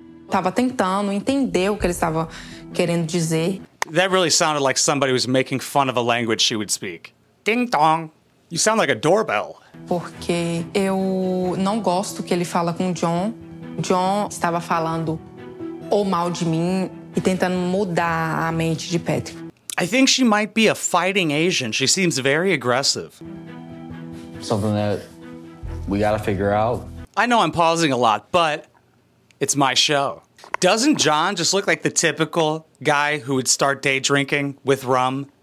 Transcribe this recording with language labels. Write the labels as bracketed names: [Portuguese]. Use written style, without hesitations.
[Portuguese] Tava tentando entender o que ele estava querendo dizer. [English] That really sounded like somebody was making fun of a language she would speak. Ding dong. You sound like a doorbell. [Portuguese] Porque eu não gosto que ele fala com John. John estava falando ou mal de mim e tentando mudar a mente de Patrick. [English] I think she might be a fighting Asian. She seems very aggressive. Something that we gotta figure out. I know I'm pausing a lot, but it's my show. Doesn't John just look like the typical guy who would start day drinking with rum?